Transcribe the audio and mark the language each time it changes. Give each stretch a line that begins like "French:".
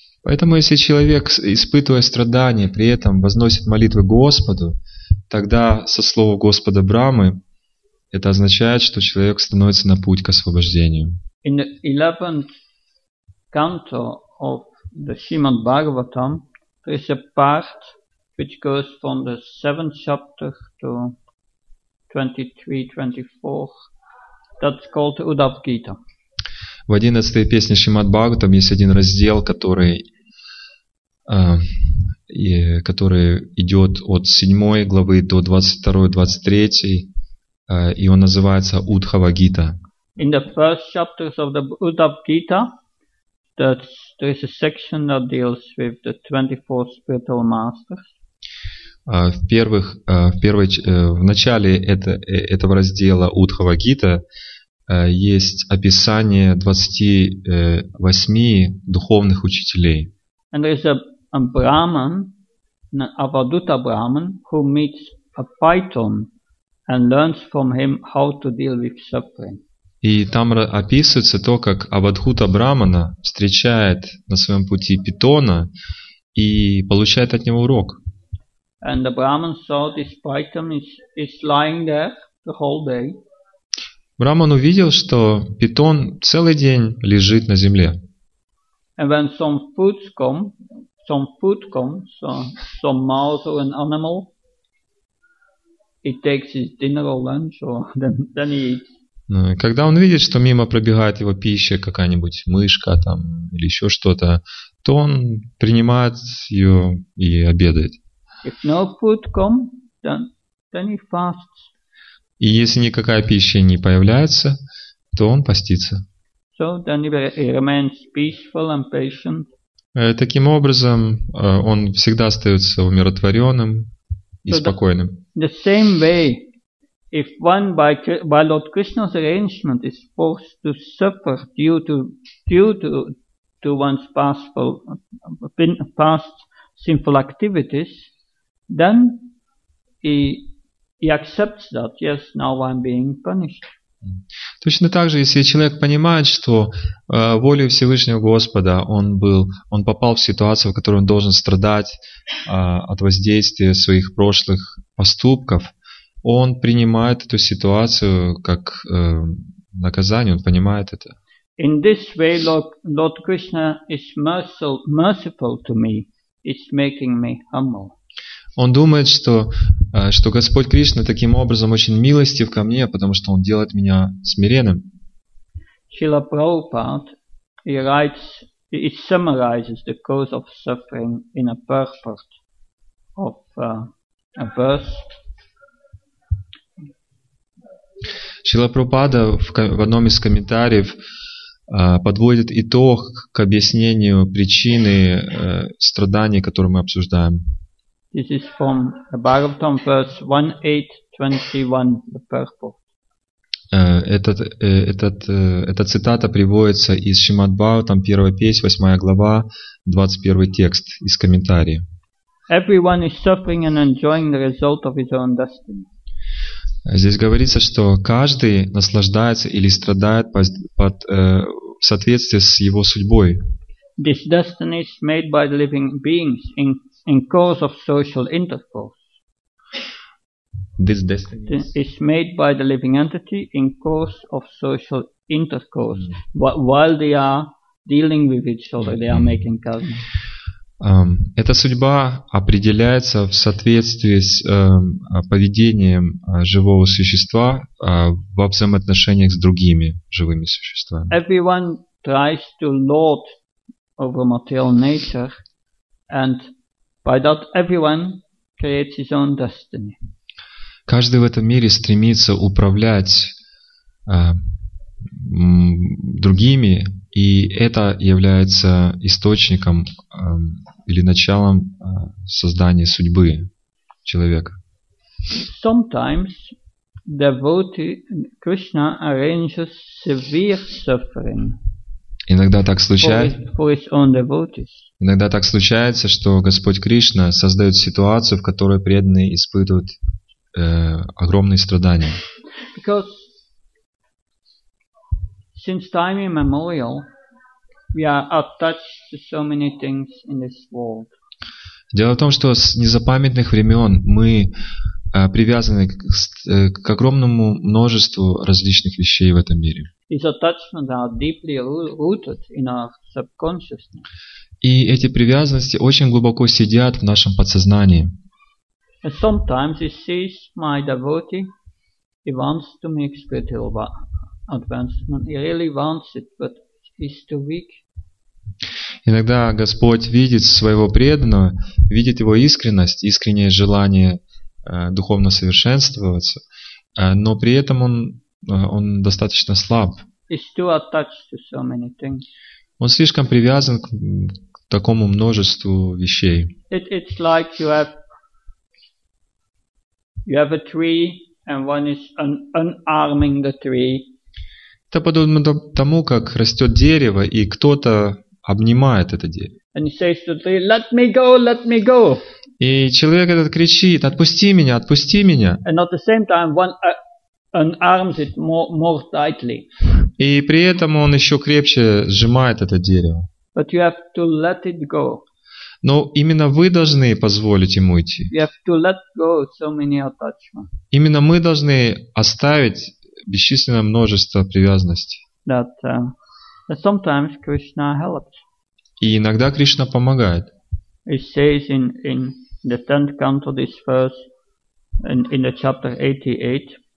Russian: Поэтому если человек, испытывая страдания, при этом возносит молитвы Господу, тогда со слова Господа Брахмы это означает, что человек становится на путь к освобождению.
English: In the 11th canto of the Srimad Bhagavatam, there is a part which goes from the 7th chapter to 23-24, that's called Uddhava Gita.
Russian: В 11-й песне Шримад Бхагаватам есть один раздел, который идет от 7 главы до 22-23. И он называется Уддхава Гита.
English: In the first chapters of the Uddhava Gita, there is a section that deals with the 24 spiritual masters.
Russian: В начале этого раздела Уддхава Гита есть описание 28 духовных учителей.
English: And there is a a Brahman, an Avaduta Brahman, who meets a python and learns from him how to deal with suffering.
Russian: И там описывается то, как Авадхута Брахмана встречает на своем пути питона и получает от него урок.
English: And the Brahman saw this python is lying there the whole day.
Russian: Брахман увидел, что питон целый день лежит на земле.
English: And when some food comes, some mouse or an animal, it takes his dinner or lunch, or then he eats.
Russian: Когда он видит, что мимо пробегает его пища, какая-нибудь мышка там, или еще что-то, то он принимает ее и обедает.
English: If no food comes, then he fasts.
Russian: И если никакая пища не появляется, то он постится.
English: So then he remains peaceful and patient.
Russian: Таким образом, он всегда остается умиротворенным и
English: so
Russian: спокойным.
English: The same way. If one by Lord Krishna's arrangement is forced to suffer due to one's past sinful activities, then he accepts that, yes, now I'm being punished.
Russian: Точно так же, если человек понимает, что волею Всевышнего Господа он попал в ситуацию, в которой он должен страдать от воздействия своих прошлых поступков, он принимает эту ситуацию как наказание, он понимает это.
English: In this way, Lord Krishna is merciful to me, it's making me humble.
Russian: Он думает, что Господь Кришна таким образом очень милостив ко мне, потому что он делает меня смиренным.
English: Srila Prabhupada, he summarizes the cause of suffering in a purport of a verse.
Russian: Шрила Прабхупада в одном из комментариев подводит итог к объяснению причины страданий, которые мы обсуждаем.
English: This is from Bhagavatam, verse 1.8.21, the purport.
Russian: Эта цитата приводится из Шримад Бхагаватам, 1 песнь, 8 глава, 21 текст из комментария.
English: Everyone is suffering and enjoying the result of his own destiny.
Russian: Здесь говорится, что каждый наслаждается или страдает в соответствии с его судьбой.
English: This destiny is made by living beings in course of social intercourse. This destiny is made by the living entity in course of social intercourse. Mm-hmm. While they are dealing with each other, they are making karma.
Russian: Эта судьба определяется в соответствии с поведением живого существа во взаимоотношениях с другими живыми существами.
English: Everyone tries to lord over material nature, and by that everyone creates his own destiny.
Russian: Каждый в этом мире стремится управлять другими, и это является источником или началом создания судьбы человека.
English: Sometimes devotee Krishna arranges severe suffering.
Russian: Иногда так случается.
English: For his own devotees.
Russian: Иногда так случается, что Господь Кришна создает ситуацию, в которой преданные испытывают огромные страдания.
English: Because since time immemorial, we are attached to so many things in this world.
Russian: Дело в том, что с незапамятных времен мы привязаны к огромному множеству различных вещей в этом мире.
English: These attachments are deeply rooted in our subconsciousness.
Russian: И эти привязанности очень глубоко сидят в нашем подсознании.
English: And sometimes he sees my devotee, he wants to make spiritual advancement. He really wants it, but he's too weak.
Russian: Иногда Господь видит своего преданного, видит его искренность, искреннее желание духовно совершенствоваться, но при этом он достаточно слаб.
English: He's too attached to so many things.
Russian: Он слишком привязан к такому множеству вещей.
English: It's like you have a tree and one is unarming the tree.
Russian: Это подобно тому, как растет дерево, и кто-то обнимает это дерево.
English: And he says to the tree, let me go, let me go.
Russian: И человек этот кричит, отпусти меня, отпусти меня.
English: And at the same time, one unarms it more tightly.
Russian: И при этом он еще крепче сжимает это дерево.
English: But you have to let it go.
Russian: Но именно вы должны позволить ему идти.
English: You have to let go so many attachments.
Russian: Именно мы должны оставить бесчисленное множество привязанностей.
English: That, sometimes Krishna helps.
Russian: И иногда Кришна помогает.
English: He says in the 10th canto this verse, in the chapter 88.